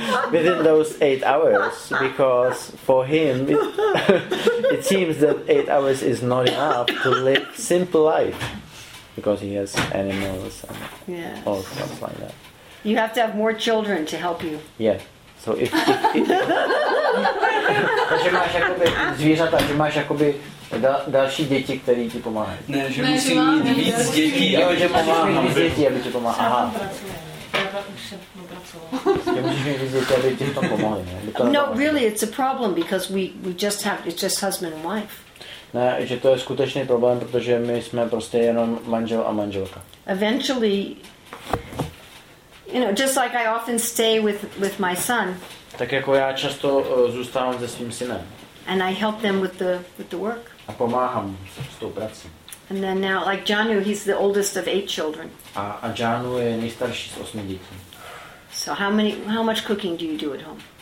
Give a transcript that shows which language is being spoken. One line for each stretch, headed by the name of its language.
English: within those 8 hours, because for him it seems that 8 hours is not enough to live simple life because he has animals and yes. All stuff like that. You have to have more children to help you. Yeah. So if
Czech: takže máš jakoby zvířata, že máš jakoby další děti, které ti pomáhají. Ne, že musí mít víc dětí, že pomáhají víc dětí, aby ti pomáhají. Aha. Já už jsem dopracovala. Že musíš mít víc dětí, aby ti pomáhají.
English: No, really, it's a problem because we just have, it's just husband and wife.
Czech: Ne, že to je skutečný problém, protože my jsme prostě jenom manžel a manželka.
English: Eventually, you know, just like I often stay with my son.
Czech: Tak jako já často zůstávám se svým synem.
English: And I help them with the work.
Czech: A pomáhám s tou prací.
English: And then now, like Janu, he's the oldest of 8 children.
Czech: A Janu je nejstarší z 8 dětí.
English: So how much cooking do you do at home?